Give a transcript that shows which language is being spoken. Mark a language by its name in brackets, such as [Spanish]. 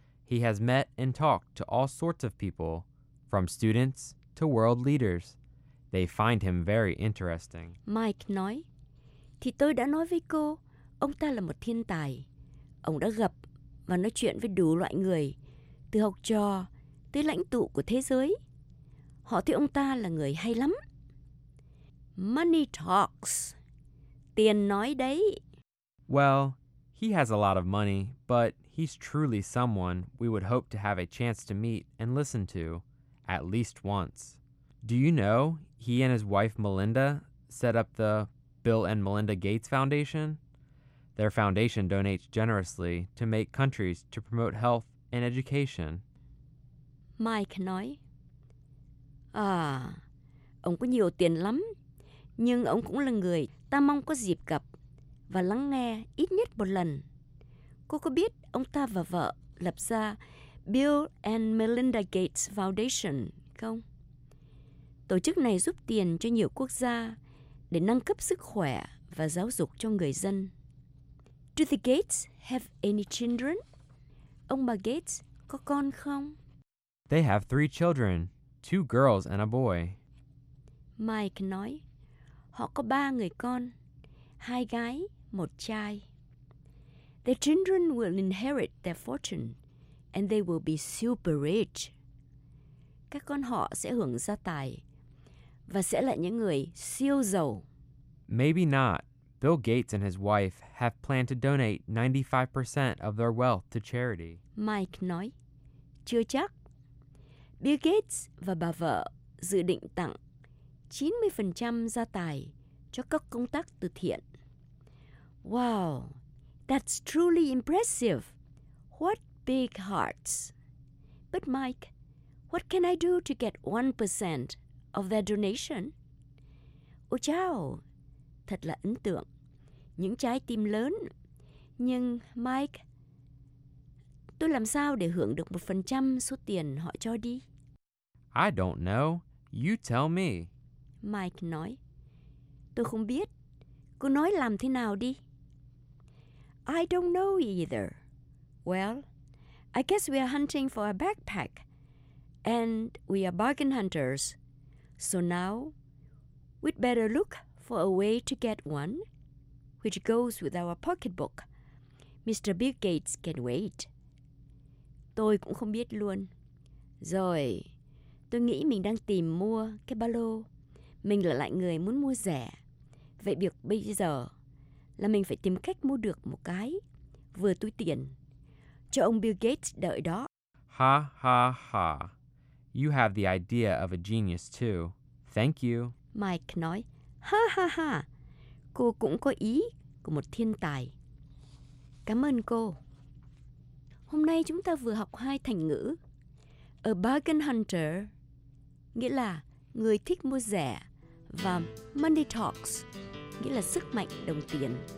[English] He has met and talked to all sorts of people, from students to world leaders. They find him very interesting. [Vietnamese] Mike nói, thì tôi đã nói với cô, ông ta là một thiên tài. Ông đã gặp và nói chuyện với đủ loại người, từ học trò tới lãnh tụ của thế giới. Họ thấy ông ta là người hay lắm. [English] Money talks. [Vietnamese] Tiền nói đấy. [English] Well, he has a lot of money, but he's truly someone we would hope to have a chance to meet and listen to at least once. Do you know he and his wife Melinda set up the Bill and Melinda Gates Foundation? Their foundation donates generously to make countries to promote health and education. [Vietnamese] Mike nói, à, ông có nhiều tiền lắm, nhưng ông cũng là người ta mong có dịp gặp và lắng nghe ít nhất một lần. Cô có biết ông ta và vợ lập ra Bill and Melinda Gates Foundation không? Tổ chức này giúp tiền cho nhiều quốc gia để nâng cấp sức khỏe và giáo dục cho người dân. [English] Do the Gates have any children? [Vietnamese] Ông bà Gates có con không? [English] They have 3 children, 2 girls and a boy. [Vietnamese] Mike nói, họ có 3 người con, 2 gái, 1 trai. [English] Their children will inherit their fortune and they will be super rich. [Vietnamese] Các con họ sẽ hưởng gia tài và sẽ là những người siêu giàu. [English] Maybe not. Bill Gates and his wife have planned to donate 95% of their wealth to charity. [Vietnamese] Mike nói, chưa chắc. Bill Gates và bà vợ dự định tặng 90% gia tài cho các công tác từ thiện. [English] Wow, that's truly impressive. What big hearts. But Mike, what can I do to get 1% of their donation? [Vietnamese] Ôi chào, thật là ấn tượng. Những trái tim lớn. Nhưng Mike, tôi làm sao để hưởng được 1% số tiền họ cho đi? [English] I don't know. You tell me. [Vietnamese] Mike nói, tôi không biết. Cô nói làm thế nào đi? [English] I don't know either. Well, I guess we are hunting for a backpack. And we are bargain hunters. So now, we'd better look for a way to get one, which goes with our pocketbook. Mr. Bill Gates can wait. [Vietnamese] Tôi cũng không biết luôn. Rồi, tôi nghĩ mình đang tìm mua cái ba lô. Mình là loại người muốn mua rẻ. Vậy việc bây giờ là mình phải tìm cách mua được một cái vừa túi tiền cho ông Bill Gates đợi đó. Ha ha ha. [English] You have the idea of a genius too. Thank you. [Vietnamese] Mike nói, ha ha ha. Cô cũng có ý của một thiên tài. Cảm ơn cô. Hôm nay chúng ta vừa học 2 thành ngữ. [English] A bargain hunter, [Vietnamese] nghĩa là người thích mua rẻ. Và [English] money talks, [Vietnamese] nghĩa là sức mạnh đồng tiền.